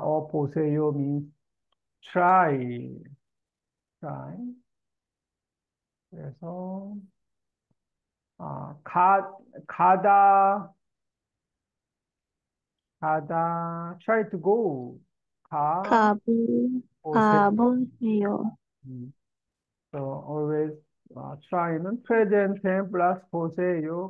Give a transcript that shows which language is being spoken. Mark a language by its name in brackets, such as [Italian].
[English] 보세요 means try. Try. [Korean] 그래서 가다 [English] try to go [Korean] 가 보세요. 가보세요. [English] 그래서 always try는 present tense plus 보세요.